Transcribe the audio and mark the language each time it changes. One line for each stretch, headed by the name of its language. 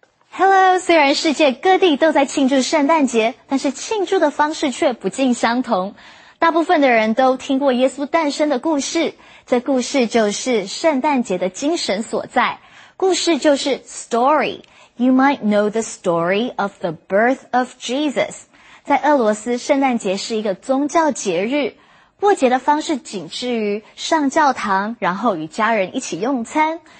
English: Hello,
Chinese: 虽然世界各地都在庆祝圣诞节，但是庆祝的方式却不尽相同。大部分的人都听过耶稣诞生的故事，这故事就是圣诞节的精神所在。故事就是
English: story. You might know the story of the birth of Jesus.
Chinese: 在俄罗斯，圣诞节是一个宗教节日。过节的方式仅至于上教堂，然后与家人一起用餐。